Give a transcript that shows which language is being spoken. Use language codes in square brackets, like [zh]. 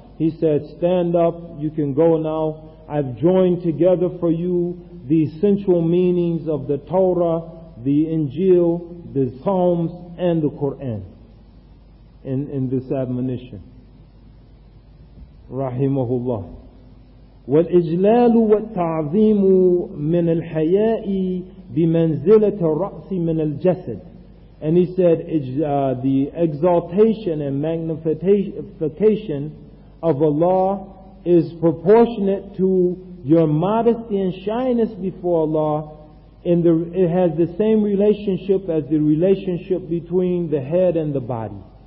[en] He said, stand up, you can go now. I've joined together for you the essential meanings of the Torah, the Injil, the Psalms, and the Quran in this admonition. Rahimahullah. [ar] والإجلال والتعظيم من الحياء بمنزلة الرأس من الجسد. [en] And he said, the exaltation and magnification of Allah is proportionate to your modesty and shyness before Allah. It has the same relationship as the relationship between the head and the body.